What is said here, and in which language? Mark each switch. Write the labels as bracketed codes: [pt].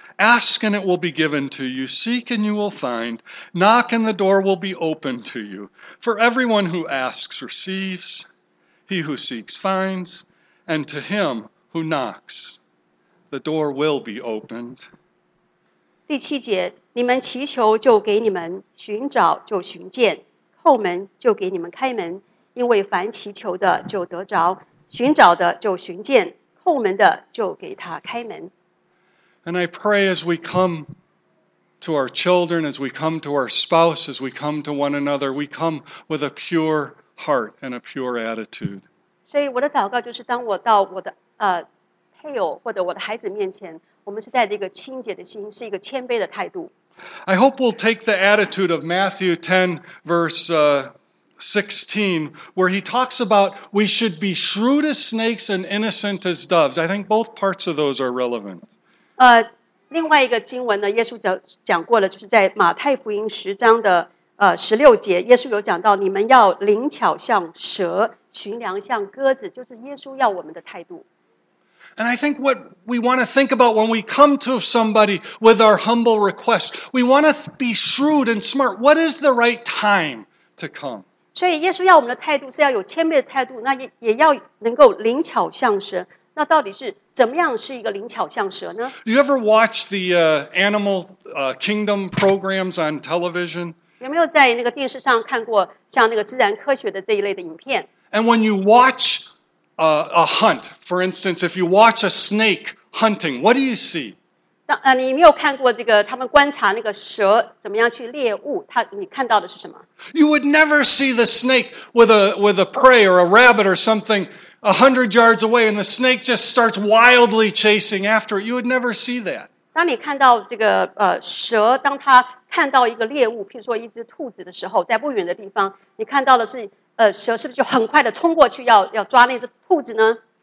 [en] Ask and it will be given to you. Seek and you will find. Knock and the door will be opened to you. For everyone who asks receives. He who seeks finds. And to him who knocks, the door will be opened. [zh] 第七节，你们祈求就给你们，寻找就寻见。叩门就给你们开门，因为凡祈求的就得着，寻找的就寻见，叩门的就给他开门。 [en] And I pray as we come to our children, as we come to our spouse, as we come to one another, we come with a pure heart and a pure attitude. [zh] 所以我的祷告就是，当我到我的配偶或者我的孩子面前，我们是带着一个清洁的心，是一个谦卑的态度。 [en] I hope we'll take the attitude of Matthew 10, verse 16, where he talks about we should be shrewd as snakes and innocent as doves. I think both parts of those are relevant. [zh] 另外一个经文呢，耶稣讲过了，就是在马太福音十章的十六节，耶稣有讲到，你们要灵巧像蛇，寻良像鸽子，就是耶稣要我们的态度。 [en] And I think what we want to think about when we come to somebody with our humble request, we want to be shrewd and smart. What is the right time to come? [zh] 所以耶稣要我们的态度是要有谦卑的态度，那也要能够灵巧像蛇。那到底是怎么样是一个灵巧像蛇呢？ [en] You ever watch the animal kingdom programs on television? [zh] 有没有在那个电视上看过像那个自然科学的这一类的影片？ [en] And when you watch a hunt, for instance, if you watch a snake hunting, what do you see? [zh] 你没有看过这个他们观察那个蛇怎么样去猎物，你看到的是什么？ [en] You would never see the snake with a prey or a rabbit or something 100 yards away, and the snake just starts wildly chasing after it. You would never see that. [zh] 当你看到这个蛇，当它看到一个猎物，譬如说一只兔子的时候，在不远的地方，你看到的是蛇是不是就很快的冲过去要抓那只兔子呢？